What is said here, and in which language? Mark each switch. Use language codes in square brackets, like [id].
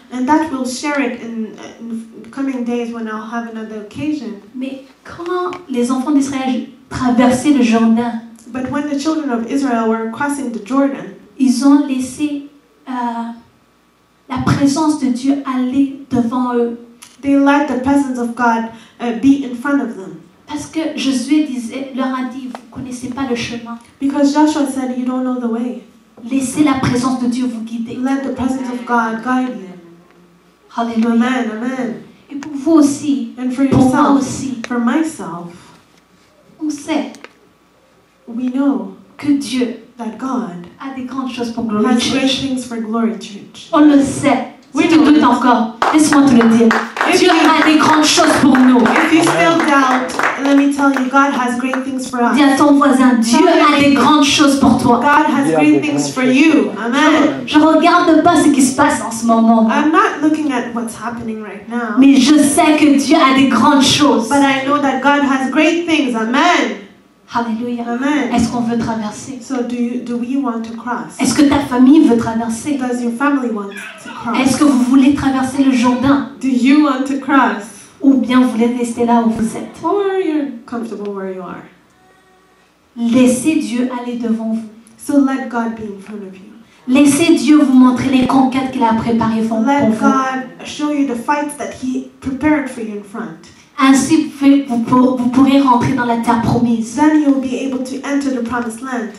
[en] And that we'll share it in coming days when I'll have another occasion. [fr] Mais quand les enfants d'Israël traversaient le Jourdain, [en] but when the children of Israel were crossing the Jordan, [fr] ils ont laissé la présence de Dieu aller devant eux. [en] They let the presence of God be in front of them. [fr] Parce que Josué disait, leur a dit, vous ne connaissez pas le chemin. [en] Because Joshua said, you don't know the way. [fr] Laissez la présence de Dieu vous guider. [en] Let the presence of God guide you. Hallelujah. Amen, amen. [fr] Et pour vous aussi. [en] And for yourself. [fr] Pour moi aussi. [en] For myself. [fr] On sait. [en] We know. [fr] Que Dieu. [en] That God. [fr] A des grandes choses pour Glory Church. [en] Has great things for Glory Church. [fr] On le sait. [en] We [fr] si tu doutes encore, laisse-moi te le dire. Dieu a des grandes choses pour nous. [en] If you still doubt, let me tell you, God has great things for us. [fr] Dis à ton voisin, Dieu a des grandes choses pour toi. [en] God has great things for you. Amen. [fr] Je ne regarde pas ce qui se passe en ce moment. [en] I'm not looking at what's happening right now. [fr] Mais je sais que Dieu a des grandes choses. [en] But I know that God has great things. Amen. Hallelujah. Amen. [fr] Est-ce qu'on veut traverser? [en] So do we want to cross? [fr] Est-ce que ta famille veut traverser? [en] Does your family want to cross? [fr] Est-ce que vous voulez traverser le Jourdain? [en] Do you want to cross? [fr] Ou bien vous voulez rester là où vous êtes? [en] Or you're comfortable where you are. [fr] Laissez Dieu aller devant vous. [en] So let God be in front of you. [fr] Laissez Dieu vous montrer les conquêtes qu'il a préparées pour [en] let [fr] vous. [en] Let God show you the fights that He prepared for you in front. [fr] Ainsi, vous pourrez rentrer dans la terre promise. [en] Then you'll be able to enter the promised land.